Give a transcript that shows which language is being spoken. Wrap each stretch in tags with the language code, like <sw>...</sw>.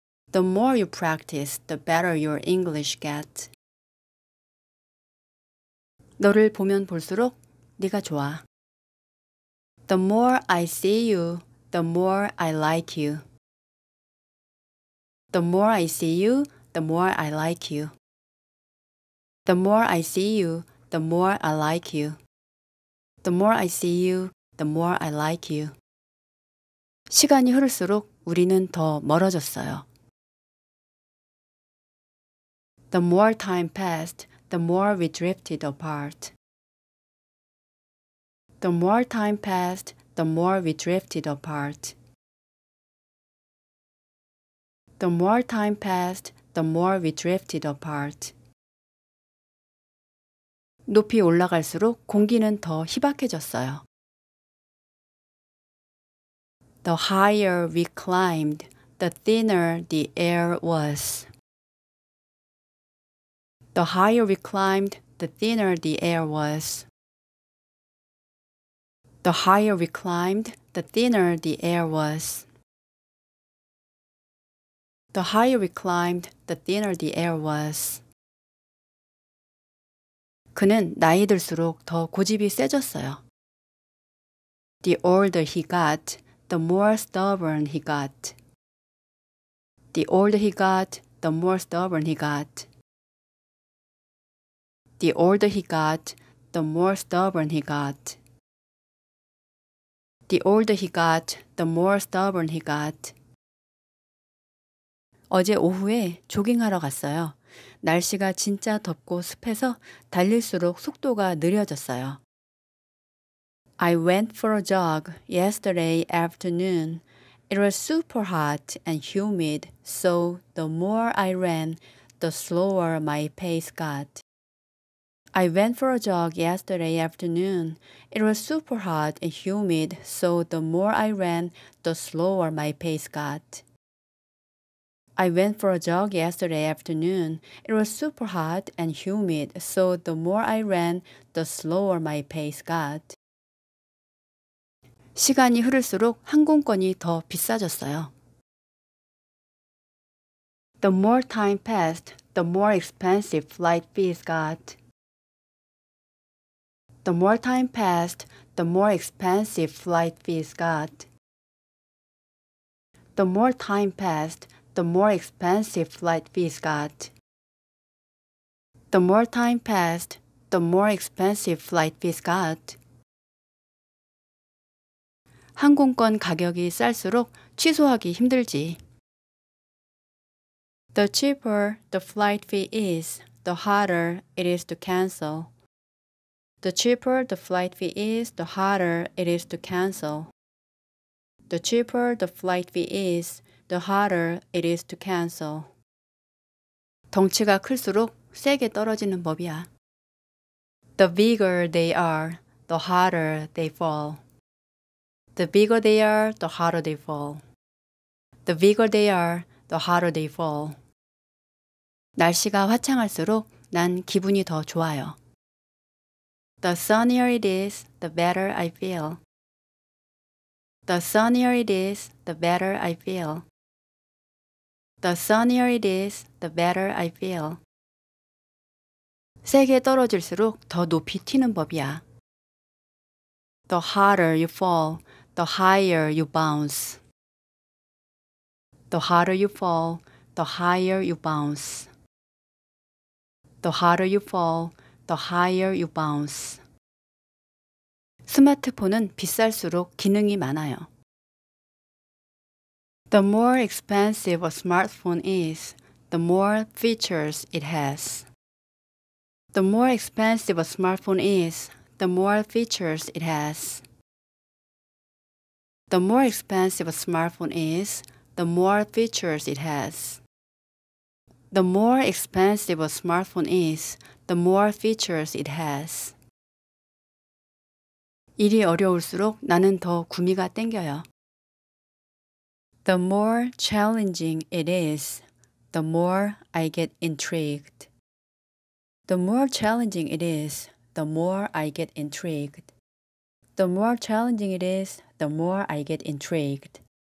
<en>The more you practice, the better your English gets.</en> <ko>너를 보면 볼수록 네가 좋아.</ko> <en>The more I see you, the more I like you. The more I see you, the more I like you. The more I see you, the more I like you. The more I see you, the more I like you.</en> <ko>시간이 흐를수록 우리는 더 멀어졌어요.</ko> <en>The more time passed, the more we drifted apart. The more time passed, the more we drifted apart. The more time passed, the more we drifted apart.</en> <ko>높이 올라갈수록 공기는 더 희박해졌어요.</ko> <en>The higher we climbed, the thinner the air was. The higher we climbed, the thinner the air was. The higher we climbed, the thinner the air was. The higher we climbed, the thinner the air was.</en> <ko>그는 나이 들수록 더 고집이 세졌어요.</ko> <en>The older he got, the more stubborn he got. The older he got, the more stubborn he got. The older he got, the more stubborn he got. The older he got, the more stubborn he got.</en> <ko>어제 오후에 조깅하러 갔어요. 날씨가 진짜 덥고 습해서 달릴수록 속도가 느려졌어요.</ko> <en>I went for a jog yesterday afternoon. It was super hot and humid, so the more I ran, the slower my pace got. I went for a jog yesterday afternoon. It was super hot and humid, so the more I ran, the slower my pace got. I went for a jog yesterday afternoon. It was super hot and humid, so the more I ran, the slower my pace got.</en> <ko>시간이 흐를수록 항공권이 더 비싸졌어요.</ko> <en>The more time passed, the more expensive flight fees got. The more time passed, the more expensive flight fees got. The more time passed, the more expensive flight fees got. The more time passed, the more expensive flight fees got.</en> <ko>항공권 가격이 쌀수록 취소하기 힘들지.</ko> <en>The cheaper the flight fee is, the harder it is to cancel. The cheaper the flight fee is, the harder it is to cancel. The cheaper the flight fee is, the harder it is to cancel.</en> <ko>덩치가 클수록 세게 떨어지는 법이야.</ko> <en>The bigger they are, the harder they fall. The bigger they are, the harder they fall. The bigger they are, the harder they fall.</en> <ko>날씨가 화창할수록 난 기분이 더 좋아요.</ko> <en>The sunnier it is, the better I feel. The sunnier it is, the better I feel. The sunnier it is, the better I feel.</en> <ko>세게 떨어질수록 더 높이 튀는 법이야.</ko> <en>The harder you fall, the higher you bounce. The harder you fall, the higher you bounce. The harder you fall, the higher you bounce.</en> <ko>스마트폰은 비쌀수록 기능이 많아요.</ko> <en>The more expensive a smartphone is, the more features it has. The more expensive a smartphone is, the more features it has. The more expensive a smartphone is, the more features it has. The more expensive a smartphone is, the more features it has.</en> <ko>일이 어려울수록 나는 더 구미가 땡겨요.</ko> <en>The more challenging it is, the more I get intrigued. The more challenging it is, the more I get intrigued. The more challenging it is, the more I get intrigued.</en>